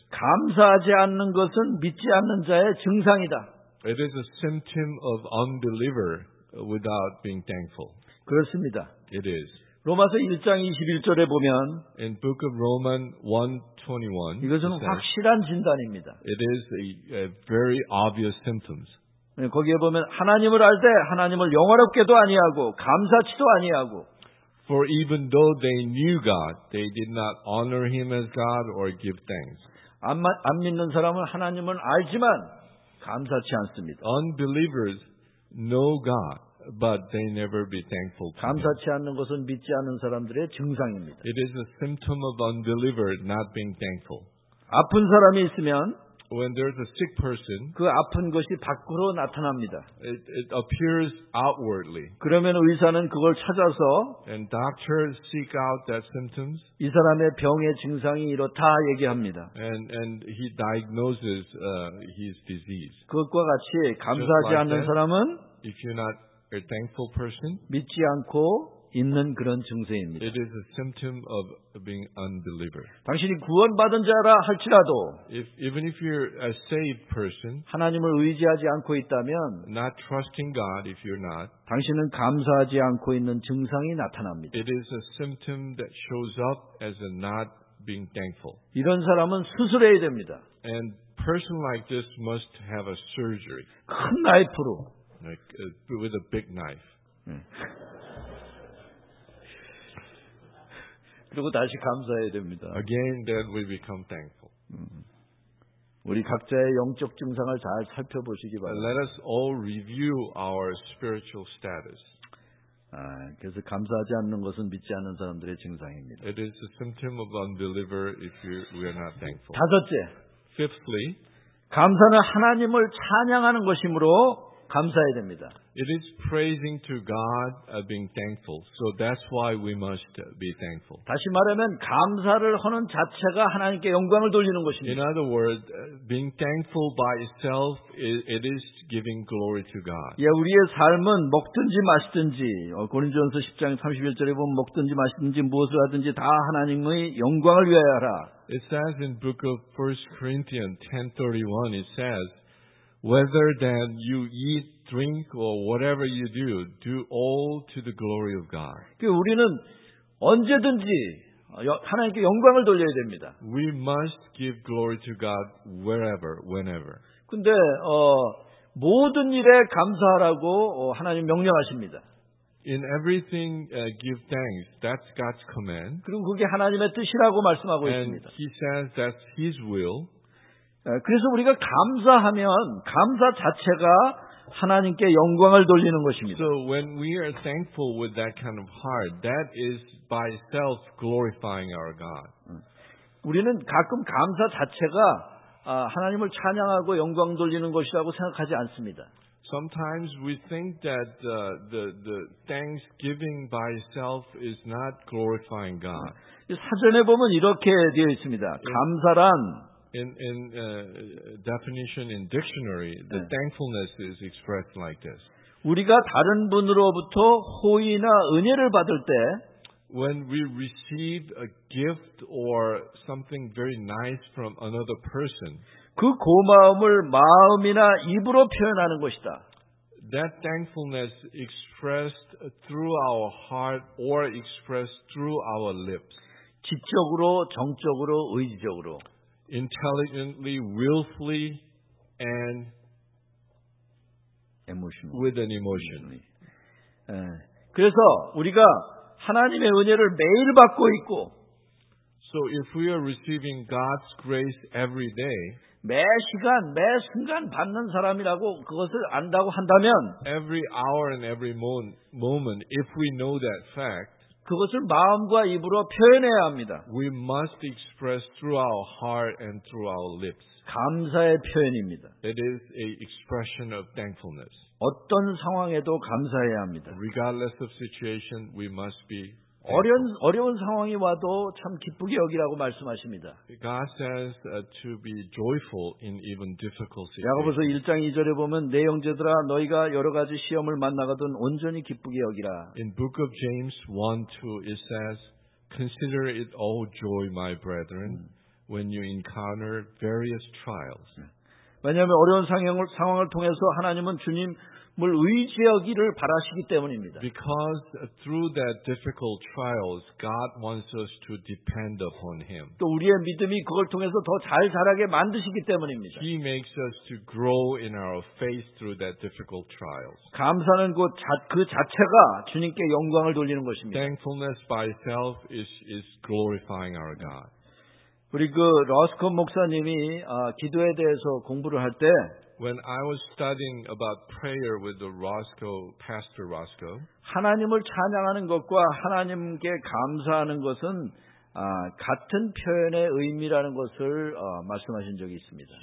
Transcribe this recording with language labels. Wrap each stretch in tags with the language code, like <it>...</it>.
<ko>감사하지 않는 것은 믿지 않는 자의 증상이다.</ko> <en>It is a symptom of unbeliever without being thankful.</en> <ko>그렇습니다.</ko> <en>It is.</en> <ko>로마서 1장 21절에 보면</ko> <en>In book of Roman 1:21</en> <ko>이것은 확실한 진단입니다.</ko> <en>It is a very obvious symptoms.</en> <ko>거기에 보면 하나님을 알 때 하나님을 영화롭게도 아니하고 감사치도 아니하고</ko> <en>For even though they knew God, they did not honor him as God or give thanks.</en> <ko>안 믿는 사람은 하나님을 알지만 감사치 않습니다.</ko> <en>Unbelievers know God. But they never be thankful.</en> <ko>감사치 않는 것은 믿지 않는 사람들의 증상입니다.</ko> <en>It is a symptom of unbeliever not being thankful.</en> <ko>아픈 사람이 있으면</ko> <en>when there's a sick person,</en> <ko>그 아픈 것이 밖으로 나타납니다.</ko> <en>It appears outwardly.</en> <ko>그러면 의사는 그걸 찾아서</ko> <en>and doctors seek out that symptoms.</en> <ko>이 사람의 병의 증상이 이렇다 얘기합니다.</ko> <en>And he diagnoses his disease.</en> <ko>그것과 같이 감사하지</ko> <en>like</en> <ko>않는</ko> <en>that,</en> <ko>사람은</ko> <en>if you're not A thankful person.</en> <ko>믿지 않고 있는 그런 증세입니다.</ko> <en>It is a symptom of being unbeliever.</en> <ko>당신이 구원받은 자라 할지라도,</ko> <en>even if you're a saved person,</en> <ko>하나님을 의지하지 않고 있다면,</ko> <en>not trusting God if you're not,</en> <ko>당신은 감사하지 않고 있는 증상이 나타납니다.</ko> <en>It is a symptom that shows up as a not being thankful.</en> <ko>이런 사람은 수술해야 됩니다.</ko> <en>And person like this must have a surgery.</en> <ko>큰 나이프로.</ko> <en>Like, with a big knife.</en> <ko>그리고 다시 감사해야 됩니다.</ko> <en>Again, then we become thankful.</en> <ko>우리 각자의 영적 증상을 잘 살펴보시기 바랍니다.</ko> <en>Let us all review our spiritual status.</en> <ko>그래서 감사하지 않는 것은 믿지 않는 사람들의 증상입니다.</ko> <en>It is a symptom of unbeliever if we are not thankful.</en> <ko>다섯째.</ko> <en>Fifthly,</en> <ko>감사는 하나님을 찬양하는 것이므로 감사해야 됩니다.</ko> <en>It is praising to God being thankful. So that's why we must be thankful.</en> <ko>다시 말하면 감사를 하는 자체가 하나님께 영광을 돌리는 것입니다.</ko> <en>In other words, being thankful by itself it is giving glory to God.</en> <ko>예, 우리의 삶은 먹든지 마시든지 고린도전서 10장 31절에 보면 먹든지 마시든지 무엇을 하든지 다 하나님의 영광을 위하여 하라.</ko> <en>It says in book of 1 Corinthians 10:31 it says whether that you eat, drink, or whatever you do, do all to the glory of God.</en> <ko>우리는 언제든지 하나님께 영광을 돌려야 됩니다.</ko> <en>We must give glory to God wherever, whenever.</en> <ko>근데 모든 일에 감사하라고 하나님 명령하십니다.</ko> <en>In everything, give thanks. That's God's command.</en> <ko>그리고 그게 하나님의 뜻이라고 말씀하고</ko> <en>And</en> <ko>있습니다.</ko> <en>He says that's His will.</en> <ko>그래서 우리가 감사하면 감사 자체가 하나님께 영광을 돌리는 것입니다.</ko> <en>So when we are thankful with that kind of heart, that is by itself glorifying our God.</en> <ko>우리는 가끔 감사 자체가 하나님을 찬양하고 영광 돌리는 것이라고 생각하지 않습니다.</ko> <en>Sometimes we think that the thanksgiving by itself is not glorifying God.</en> <ko>사전에 보면 이렇게 되어 있습니다. 감사란</ko> <en>In definition in dictionary, the</en> <ko>네.</ko> <en>thankfulness is expressed like this.</en> <ko>우리가 다른 분으로부터 호의나 은혜를 받을 때,</ko> <en>when we receive a gift or something very nice from another person,</en> <ko>그 고마움을 마음이나 입으로 표현하는 것이다.</ko> <en>That thankfulness expressed through our heart or expressed through our lips.</en> <ko>지적으로, 정적으로, 의지적으로.</ko> <en>Intelligently, willfully, and emotionally. With an emotion.</en> <ko>그래서 우리가 하나님의 은혜를 매일 받고 있고,</ko> <en>so if we are receiving God's grace every day,</en> <ko>매 시간, 매 순간 받는 사람이라고 그것을 안다고 한다면,</ko> <en>every hour and every moment, if we know that fact,</en> <ko>그것을 마음과 입으로 표현해야 합니다.</ko> <en>We must express through our heart and through our lips.</en> <ko>감사의 표현입니다.</ko> <en>It is a expression of thankfulness.</en> <ko>어떤 상황에도 감사해야 합니다.</ko> <en>Regardless of situation, we must be thankful.</en> <ko>어려운 상황이 와도 참 기쁘게 여기라고 말씀하십니다.</ko> <en>God says to be joyful in even difficult situations.</en> <ko>야고보서 1장 2절에 보면 내 형제들아 너희가 여러 가지 시험을 만나거든 온전히 기쁘게 여기라.</ko> <en>In book of James 1:2 it says consider it all joy my brethren when you encounter various trials.</en> <ko>왜냐하면 어려운 상황을 통해서 하나님은 주님을 의지하기를 바라시기 때문입니다.</ko> <en>Because through that difficult trials, God wants us to depend upon Him.</en> <ko>또 우리의 믿음이 그걸 통해서 더 잘 자라게 만드시기 때문입니다.</ko> <en>He makes us to grow in our faith through that difficult trials.</en> <ko>감사는 그 자체가 주님께 영광을 돌리는 것입니다.</ko> <en>Thankfulness by itself is glorifying our God.</en> <ko>우리 그 러스콘 목사님이 기도에 대해서 공부를 할 때</ko> <en>When I was studying about prayer with the Roscoe, Pastor Roscoe</en> <ko>하나님을 찬양하는 것과 하나님께 감사하는 것은 같은 표현의 의미라는 것을 말씀하신 적이 있습니다.</ko>